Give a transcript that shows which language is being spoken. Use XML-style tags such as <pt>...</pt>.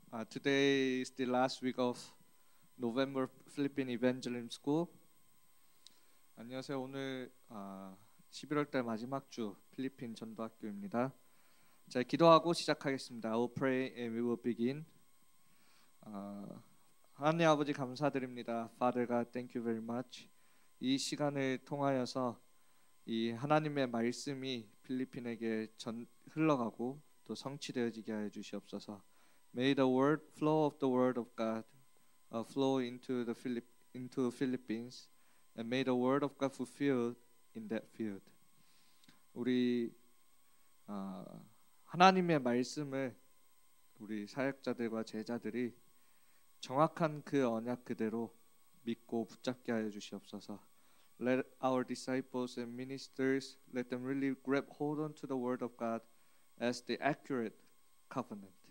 <en>Today is the last week of November Philippine Evangelism School.</en> <ko>안녕하세요. 오늘 11월달 마지막 주 필리핀 전도학교입니다. 자, 기도하고 시작하겠습니다.</ko> <en>I will pray and we will begin.</en> <ko>하나님 아버지 감사드립니다.</ko> <en>Father God, thank you very much.</en> <ko>이 시간을 통하여서 이 하나님의 말씀이 필리핀에게 흘러가고 또 성취되어지게 하여 주시옵소서.</ko> <en>May the word flow of the word of God flow into the Philippines and may the word of God fulfilled in that field.</en> <ko>우리 하나님의 말씀을 우리 사역자들과 제자들이 정확한 그 언약 그대로 믿고 붙잡게 하여 주시옵소서.</ko> <en>Let our disciples and ministers let them really grab hold on to the word of God as the accurate covenant.</en>